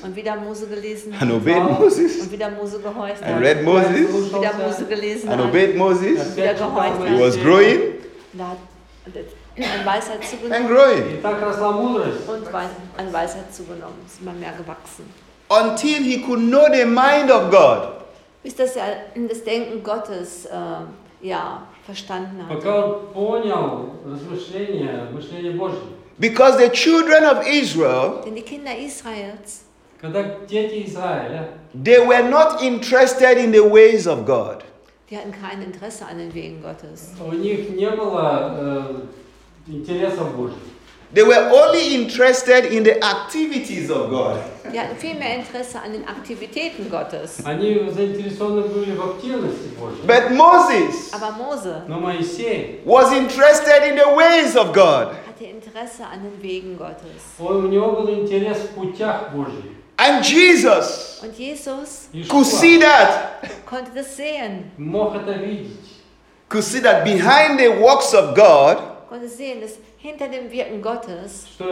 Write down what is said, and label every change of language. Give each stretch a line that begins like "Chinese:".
German: Und wieder Mose gelesen
English: hat. And obeyed Moses.
German: Und wieder Mose gehorcht hat.
English: And read Moses.
German: Und wieder Mose gelesen hat.
English: And obeyed Moses.
German: Und wieder gehorcht hat.
English: He was growing.
German: An Weisheit zugenommen.
English: And growing.
German: Und an Weisheit zugenommen. Ist immer mehr gewachsen.
English: Until he could know the mind of God.
German: Bis dass er das Denken Gottes verstanden hat.
Russian: Пока он понял размышление Божье.
English: Because the children of Israel.
German: Denn die Kinder Israels.
Russian: Когда дети Израиля.
English: They were not interested in the ways of God.
German: Die hatten kein Interesse an den Wegen Gottes.
Russian: У них не было интереса в Божьем.
English: They were only interested in the activities of God.
German: Die hatten viel mehr Interesse an den Aktivitäten Gottes.
Russian: Они заинтересованы были в активности Божьей.
English: But Moses.
German: Aber Mose.
Russian: Но Моисей.
English: Was interested in the ways of God.
German: Hatte Interesse an den Wegen Gottes.
Russian: Он, у него был интерес в путях Божьих.
English: And Jesus.
German: Und Jesus.
English: Could see that.
German: Konnte das sehen.
Russian: Мог это видеть.
English: Could see that behind the works of God.
German: Konnte sehen, dass hinter dem Wirken Gottes